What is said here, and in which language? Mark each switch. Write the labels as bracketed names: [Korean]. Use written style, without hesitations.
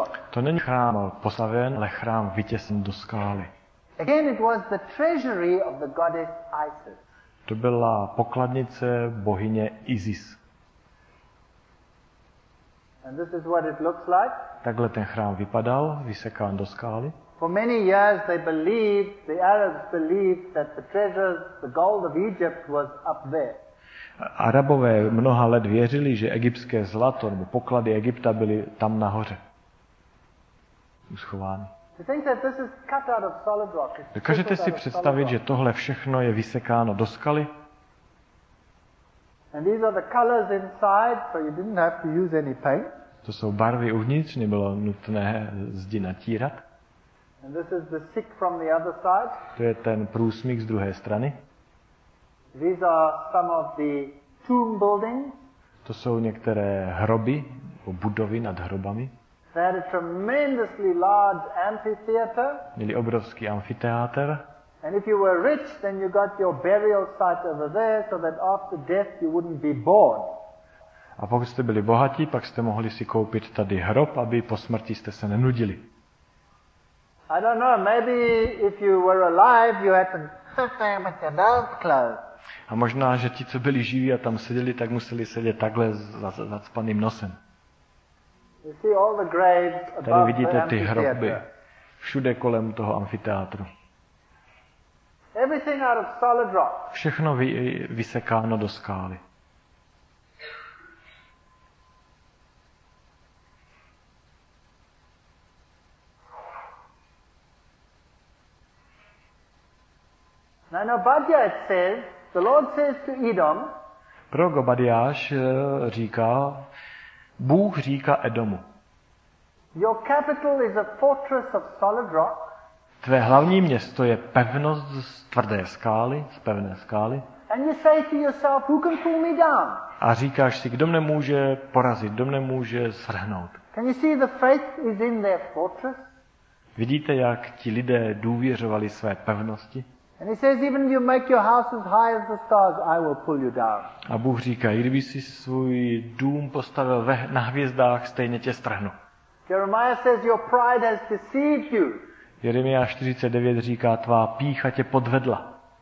[Czech] To není chrám postaven, ale chrám vytěsen do skály. [English] Again, it was the treasury of the goddess Isis. [Czech] To byla pokladnice bohyně Isis. [English] And this is what it looks like. [Czech] Takhle ten chrám vypadal, vysekán do skály. [English] For many years they believed, the Arabs believed that the treasures, the gold of Egypt was up there. [Czech] Arabové mnoha let věřili, že egyptské zlato nebo poklady Egypta byly tam nahoře. Uschovány. [English] To think that this is cut out of solid rock. [Czech] Dokážete si představit, že tohle všechno je vysekáno do skaly? [English] And these are the colors inside, so you didn't have to use any paint. [Czech] To jsou barvy uvnitř, nebylo nutné zdi natírat. [English] And this is the sick from the other side. [Czech] To je ten průsmyk z druhé strany. [English] These are some of the tomb buildings. [Czech] To jsou některé hroby, budovy nad hrobami. [English] They had a tremendously large amphitheater. [Czech] Měli obrovský amfiteátr. [English] And if you were rich, then you got your burial site over there, so that after death you wouldn't be bored. [Czech] A pokud jste byli bohatí, pak jste mohli si koupit tady hrob, aby po smrti jste se nenudili. [English] I don't know, maybe if you were alive, you had to with your nose closed. [Czech] A možná, že ti, co byli živí a tam seděli, tak museli sedět takhle zacpaným nosem. [English] You see all the graves above the amphitheater. [Czech] Tady vidíte ty hroby všude kolem toho amfiteátru. [English] Everything out of solid rock. [Czech] Všechno vysekáno do skály. [English] Now, Obadiah says, the Lord says to Edom. [Czech] Prorok Obadiáš říká, Bůh říká Edomu. [English] Your capital is a fortress of solid rock. [Czech] Tvé hlavní město je pevnost z tvrdé skály, z pevné skály. [English] And you say to yourself, who can pull me down? [Czech] A říkáš si, kdo mne může porazit, kdo mne může svrhnout. [English] Can you see the faith is in their fortress? [Czech] Vidíte, jak ti lidé důvěřovali své pevnosti? [English] And he says, even if you make your house as high as the stars, I will pull you down. [Czech] A Bůh říká, i kdyby si svůj dům postavil na hvězdách, stejně tě strhnu. [English] Jeremiah says, your pride has deceived you. [Czech] Jeremia 49 říká, tvá pýcha tě podvedla.